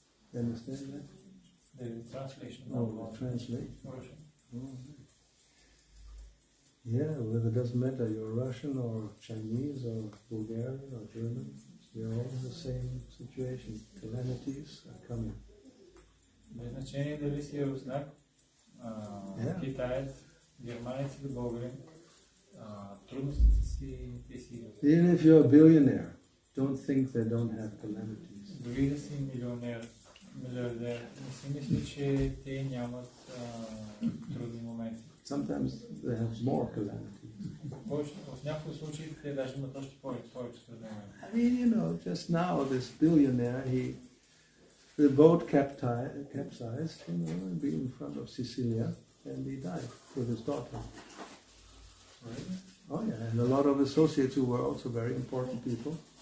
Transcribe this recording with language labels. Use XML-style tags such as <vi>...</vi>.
<en>Yeah, well, it doesn't matter you're Russian or Chinese or Bulgarian or German, you're all in the same situation. Calamities are coming.</en> <bg>Без значение дали си руснак, китаец, германец или българин, трудностите си ти си.</bg> <en>Even if you're a billionaire, don't think they don't have calamities.</en> <bg>Дори да си милионер. Не си мисли, че те нямат трудни моменти.</bg> <en>Sometimes they have more calamity.</en> <bg>В някои случаи те даже имат още повече трудни моменти.</bg> <en>I mean, you know, just now this billionaire, the boat capsized, you know, being in front of Sicilia, and he died with his daughter. Really? Oh yeah, and a lot of associates who were also very important people.</en>